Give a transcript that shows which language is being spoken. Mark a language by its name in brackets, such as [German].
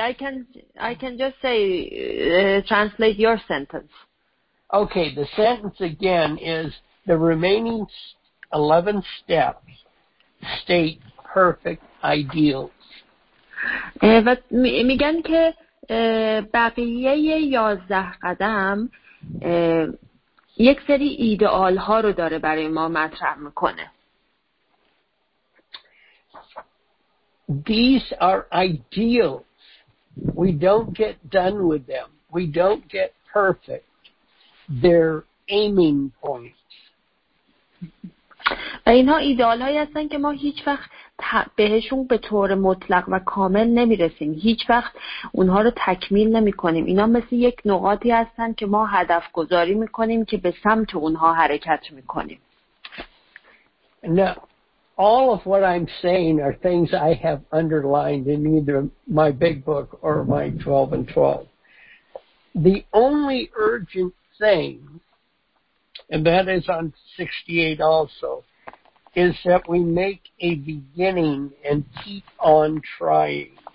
[English] I can just say translate your sentence. Okay, the sentence again is the remaining 11 steps state perfect ideals. [Persian] But میگن که بقیه 11 قدم یک سری ایدئال ها رو داره برای ما مطرح میکنه. [English] These are ideals. We don't get done with them. We don't get perfect. They're aiming points. [Persian] و اینها ایدئال هایی هستن که ما هیچ وقت بهشون به طور مطلق و کامل نمی رسیم. هیچ وقت اونها رو تکمیل نمی کنیم. اینا مثل یک نقاطی هستن که ما هدف گذاری می کنیم که به سمت اونها حرکت می کنیم. نه. [English] All of what I'm saying are things I have underlined in either my big book or my 12 and 12. The only urgent thing, and that is on 68 also, is that we make a beginning and keep on trying.